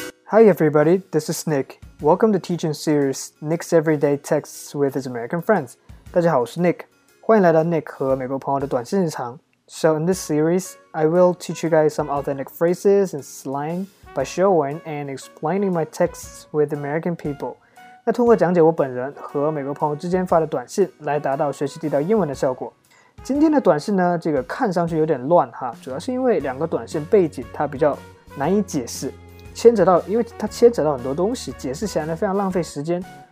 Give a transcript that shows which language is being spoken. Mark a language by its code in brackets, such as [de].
[en] Hi everybody, this is Nick. Welcome to teaching series Nick's Everyday Texts with his American friends. [zh] 大家好，我是 Nick. 欢迎来到 Nick 和美国朋友的短信日常。 [en] So in this series, I will teach you guys some authentic phrases and slang by showing and explaining my texts with American people. [zh] 那通过讲解我本人和美国朋友之间发的短信来达到学习地道英文的效果。今天的短信呢，这个看上去有点乱哈，主要是因为两个短信背景它比较难以解释。牵扯到，因为它牵扯到很多东西，解释起来呢非常浪费时间。